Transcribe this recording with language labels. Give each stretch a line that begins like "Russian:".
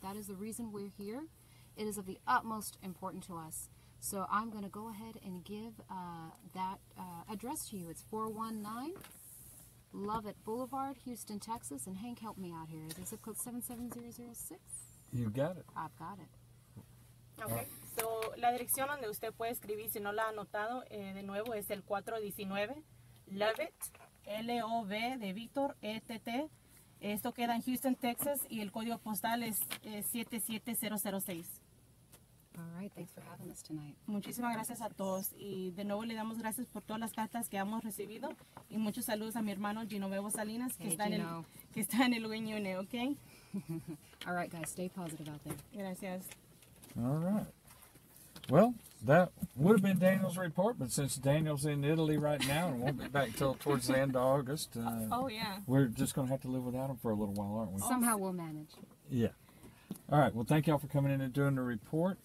English: That is the reason we're here. It is of the utmost importance to us. So I'm going to go ahead and give that address to you. It's 419 Lovett Boulevard, Houston, Texas. And Hank, help me out here. Is it zip code 77006? You got it. I've got it. Okay.
Spanish: So la dirección donde usted puede escribir, si no la ha anotado, de nuevo, es el 419 Lovett, L-O-V de Víctor, E-T-T. Esto queda en Houston, Texas, y el código postal es 77006.
English: All right, thanks for having us tonight.
Spanish: Muchísimas gracias a todos, y de nuevo le damos gracias por todas las cartas que hemos recibido, y muchos saludos a mi hermano Gino Bebo Salinas, que está en el Wing Unit, ¿ok?
English: All right, guys, stay positive out there.
Spanish: Gracias.
English: All right. Well, that would have been Daniel's report, but since Daniel's in Italy right now and won't be back till towards the end of August, we're just going to have to live without him for a little while, aren't we? Somehow we'll manage. Yeah. All right. Well, thank you all for coming in and doing the report.